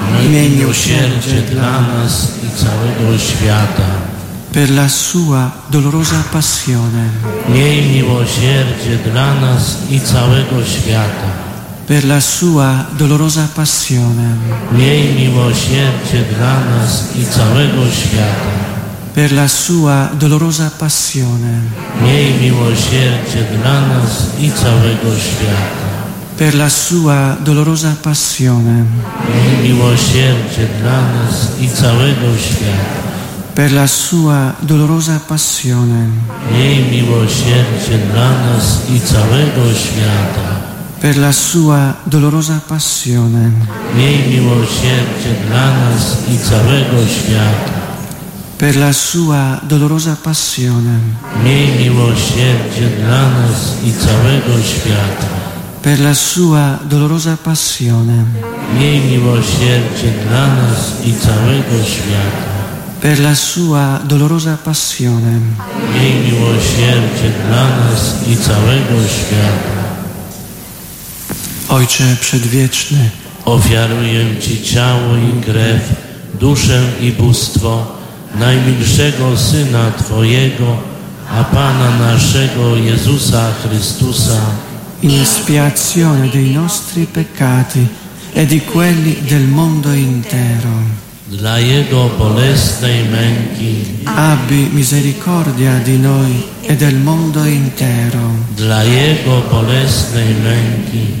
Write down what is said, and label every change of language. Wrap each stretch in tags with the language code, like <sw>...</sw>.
<pl>miej miłosierdzie dla nas i całego świata.</pl> <it>Per la sua dolorosa passione,</it> <pl>miej miłosierdzie dla nas i całego świata.</pl> <it>Per la sua dolorosa passione,</it> <pl>miej miłosierdzie dla nas i całego świata.</pl> <it>Per la sua dolorosa passione,</it> <pl>miej miłosierdzie dla nas i całego świata.</pl> <it>Per la sua dolorosa passione,</it> <pl>miej miłosierdzie dla nas i całego świata.</pl> <it>Per la sua dolorosa passione,</it> <pl>miej miłosierdzie dla nas i całego świata.</pl> <it>Per la sua dolorosa passione,</it> <pl>miej miłosierdzie dla nas i całego świata.</pl> <it>Per la sua dolorosa passione,</it> <pl>miej miłosierdzie dla nas i całego świata.</pl> <it>Per la sua dolorosa passione,</it> <pl>miej miłosierdzie dla nas i całego świata.</pl> <it>Per la sua dolorosa passione,</it> <pl>miej miłosierdzie dla nas i całego świata. Ojcze Przedwieczny, ofiaruję Ci ciało i krew, duszę i bóstwo najmilszego Syna Twojego, a Pana naszego Jezusa Chrystusa,</pl> <it>in espiazione dei nostri peccati e di quelli del mondo intero.</it> <pl>Dla Jego bolesnej męki</pl> <it>abbi misericordia di noi e del mondo intero.</it> <pl>Dla Jego bolesnej męki</pl>